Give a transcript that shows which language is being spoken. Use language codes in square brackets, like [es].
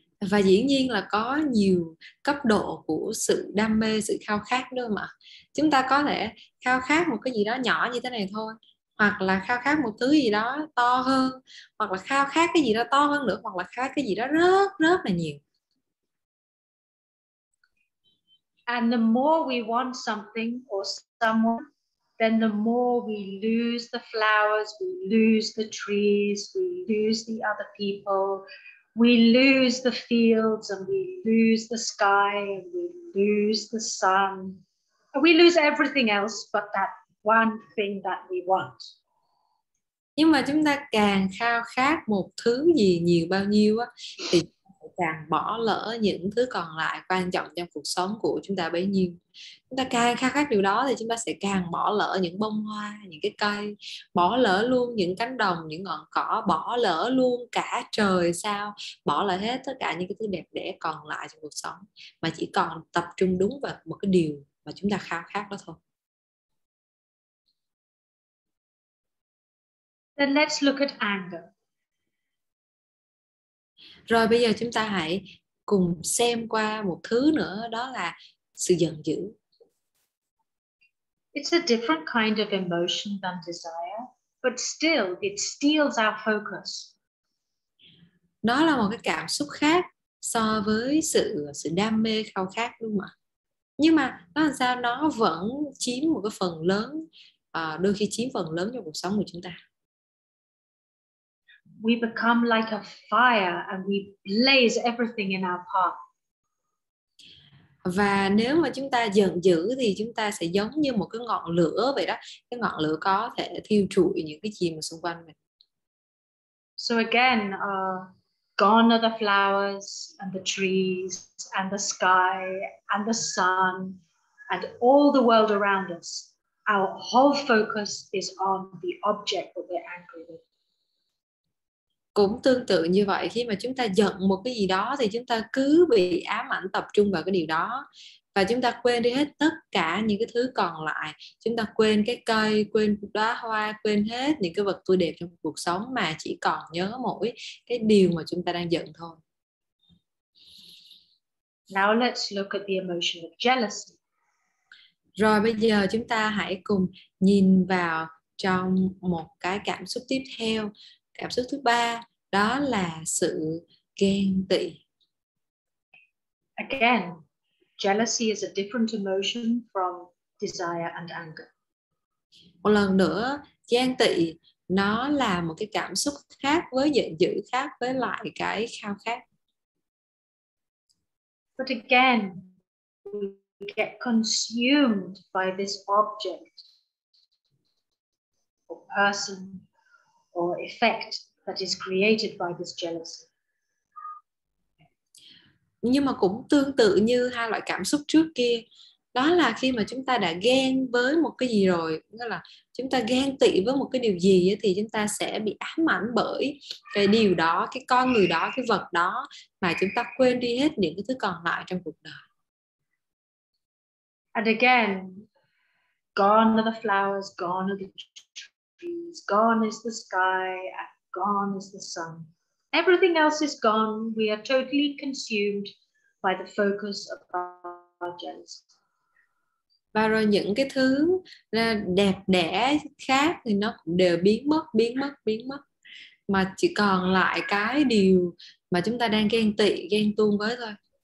[vi] Và dĩ nhiên là có nhiều cấp độ của sự đam mê, sự khao khát nữa mà. Chúng ta có thể khao khát một cái gì đó nhỏ như thế này thôi, hoặc là khao khát một thứ gì đó to hơn, hoặc là khao khát cái gì đó to hơn nữa, hoặc là khao khát cái gì đó rất rất là nhiều. [en] And the more we want something or someone, then the more we lose the flowers, we lose the trees, we lose the other people, we lose the fields, and we lose the sky, and we lose the sun. We lose everything else but that one thing that we want. [vi] Nhưng mà chúng ta càng khao khát một thứ gì nhiều bao nhiêu á, thì càng bỏ lỡ những thứ còn lại quan trọng trong cuộc sống của chúng ta bấy nhiêu. Chúng ta càng khao khát điều đó thì chúng ta sẽ càng bỏ lỡ những bông hoa, những cái cây, bỏ lỡ luôn những cánh đồng, những ngọn cỏ, bỏ lỡ luôn cả trời sao, bỏ lỡ hết tất cả những cái thứ đẹp đẽ còn lại trong cuộc sống, mà chỉ còn tập trung đúng vào một cái điều mà chúng ta khao khát đó thôi. [en] Then let's look at anger. [vi] Rồi bây giờ chúng ta hãy cùng xem qua một thứ nữa, đó là sự giận dữ. [en] It's a different kind of emotion than desire, but still it steals our focus. [vi] Nó là một cái cảm xúc khác so với sự đam mê khao khát, đúng không ạ? Nhưng mà nó làm sao nó vẫn chiếm một cái phần lớn, đôi khi chiếm phần lớn trong cuộc sống của chúng ta. [en] We become like a fire and we blaze everything in our path. [vi] Và nếu mà chúng ta giận dữ thì chúng ta sẽ giống như một cái ngọn lửa vậy đó. Cái ngọn lửa có thể thiêu trụi những cái gì mà xung quanh mình. [en] So again, gone are the flowers and the trees and the sky and the sun and all the world around us. Our whole focus is on the object that we're angry with. [vi] Cũng tương tự như vậy, khi mà chúng ta giận một cái gì đó thì chúng ta cứ bị ám ảnh tập trung vào cái điều đó và chúng ta quên đi hết tất cả những cái thứ còn lại. Chúng ta quên cái cây, quên đóa hoa, quên hết những cái vật tươi đẹp trong cuộc sống mà chỉ còn nhớ mỗi cái điều mà chúng ta đang giận thôi. [en] Now let's look at the emotion of jealousy. [vi] Rồi bây giờ chúng ta hãy cùng nhìn vào trong một cái cảm xúc tiếp theo. Cảm xúc thứ ba, đó là sự ghen tị. [en] Again, jealousy is a different emotion from desire and anger. [vi] Một lần nữa, ghen tị nó là một cái cảm xúc khác với giận dữ, khác với lại cái khao khát. [en] But again, we get consumed by this object or person or effect that is created by this jealousy. [vi] Nhưng mà cũng tương tự như hai loại cảm xúc trước kia, đó là khi mà chúng ta đã ghen với một cái gì rồi, nghĩa là chúng ta ghen tị với một cái điều gì thì chúng ta sẽ bị ám ảnh bởi cái điều đó, cái con người đó, cái vật đó mà chúng ta quên đi hết những cái thứ còn lại trong cuộc đời. [en] And again, gone are the flowers, gone are the trees, gone is the sky, gone is the sun. Everything else is gone. We are totally consumed by the focus of our jealousy. [vi] Và rồi những cái thứ đẹp đẽ khác thì nó cũng đều biến mất. Mà chỉ còn lại cái điều mà chúng ta đang ghen tị, ghen tuông với thôi.